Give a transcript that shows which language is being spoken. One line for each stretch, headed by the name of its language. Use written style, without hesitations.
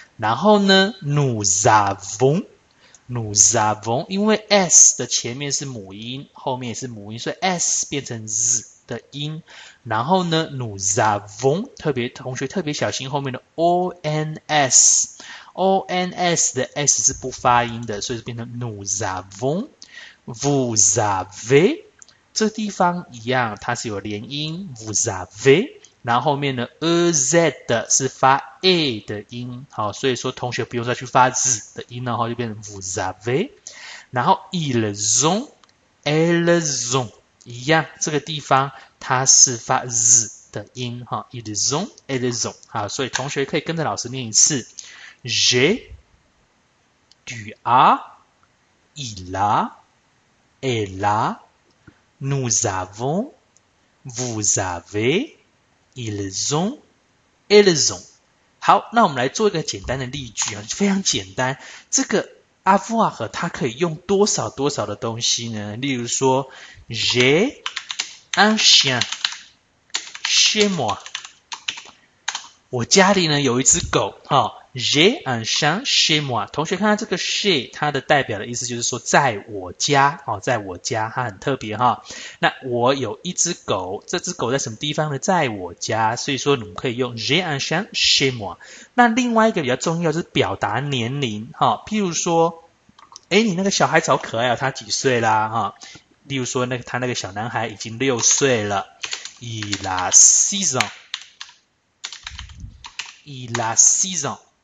Chinese: 然后呢，
French: nous avons，
Chinese: 因为 s 的前面是母音，后面也是母音，所以 s 变成 z 的音。然后呢，
French: nous avons，
Chinese: 特别同学特别小心后面的 ons。 ons 的 s 是不发音的，所以是变成
French: nous avons, vous avez。
Chinese: 这地方一样，它是有连音
French: vous avez，
Chinese: 然后后面的 ez 的是发 a 的音，好，所以说同学不用再去发 z 的音，然后就变成 vous avez。然后 ils ont 一样，这个地方它是发 z 的音，哈，
French: ils ont, ils ont，
Chinese: 好，所以同学可以跟着老师念一次。
French: J, du A, il a, elle a, nous avons, vous avez, ils ont, elles ont。
Chinese: 好，那我们来做一个简单的例句啊，非常简单。这个 avoir 它可以用多少多少的东西呢？例如说，
French: J'ai un chien chez moi。
Chinese: 我家里呢有一只狗，哈。
French: J'ai un chien chez moi。
Chinese: 同学看到这个 chez，它的代表的意思就是说，在我家哦，在我家，它很特别哈。那我有一只狗，这只狗在什么地方呢？在我家。所以说，你们可以用
French: J'ai un chien chez moi。
Chinese: 那另外一个比较重要是表达年龄哈，譬如说，哎，你那个小孩好可爱哦，他几岁啦？哈，例如说，他那个小男孩已经6岁了。
French: Il a 6 ans。 Il a 6 ans。